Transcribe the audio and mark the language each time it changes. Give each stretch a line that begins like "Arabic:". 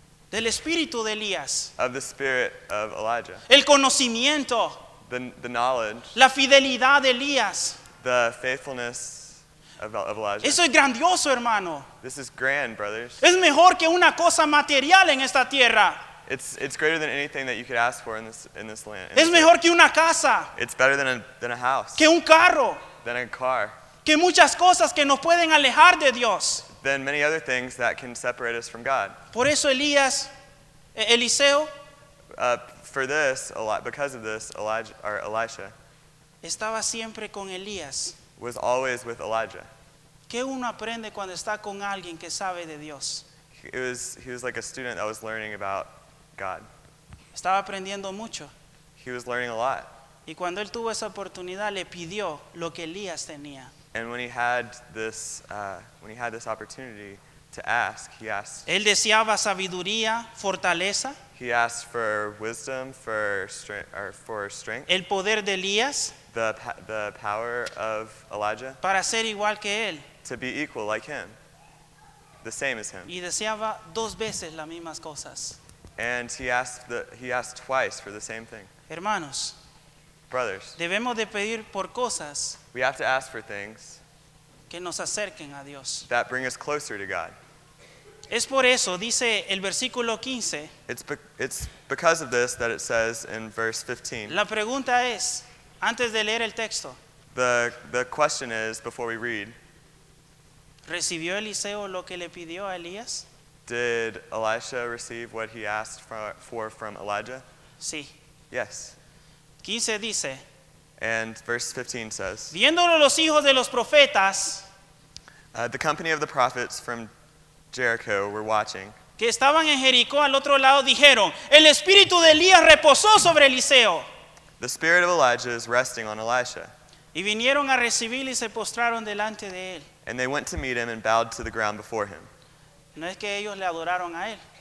Spanish: Del espíritu de Elías.
English: Of the spirit of Elijah.
Spanish: El conocimiento.
English: The knowledge.
Spanish: La fidelidad de Elías.
English: The faithfulness. Of Elijah.
Spanish: Eso es grandioso, hermano.
English: This is grand, brothers.
Spanish: Es mejor que una cosa material en esta tierra.
English: It's greater than anything that you could ask for in this land.
Spanish: Es mejor que una casa.
English: It's better than a house.
Spanish: Que un carro.
English: Than a car.
Spanish: Que muchas cosas que nos pueden alejar de Dios.
English: Than many other things that can separate us from God.
Spanish: Por eso Elías, Eliseo.
English: For this, because of this, Elisha.
Spanish: Estaba siempre con Elías.
English: Was always with Elijah.
Spanish: ¿Qué uno aprende cuando está con alguien que sabe de Dios?
English: He was like a student that was learning about God.
Spanish: Estaba aprendiendo mucho.
English: He was learning a lot.
Spanish: Y cuando él tuvo esa oportunidad, le pidió lo que Elías tenía.
English: And when he had this opportunity to ask, he asked.
Spanish: Él deseaba sabiduría, fortaleza.
English: He asked for wisdom, for strength.
Spanish: El poder de Elías.
English: The power of Elijah.
Spanish: Para ser igual que él.
English: To be equal like him. the same as him.
Spanish: Y deseaba dos veces las mismas cosas.
English: And he asked twice for the same thing.
Spanish: Hermanos,
English: brothers,
Spanish: debemos de pedir por cosas.
English: We have to ask for things
Spanish: que nos acerquen a Dios.
English: That bring us closer to God.
Spanish: Es por eso, dice el versículo 15.
English: It's because of this that it says in verse 15.
Spanish: La pregunta es, antes de leer el texto.
English: The question is, before we read.
Spanish: ¿Recibió Eliseo lo que le pidió a Elías?
English: Did Elisha receive what he asked for from Elijah?
Spanish: Sí.
English: Yes.
Spanish: 15 dice.
English: And verse 15 says.
Spanish: Viéndolo los hijos de los profetas.
English: The company of the prophets from Jericho were watching.
Spanish: Que estaban en Jericó al otro lado dijeron, el espíritu de Elías reposó sobre Eliseo.
English: The spirit of Elijah is resting on Elisha.
Spanish: Y vinieron a recibirlo y se postraron delante de él.
English: And they went to meet him and bowed to the ground before him.
Spanish: No es que ellos le adoraron a él.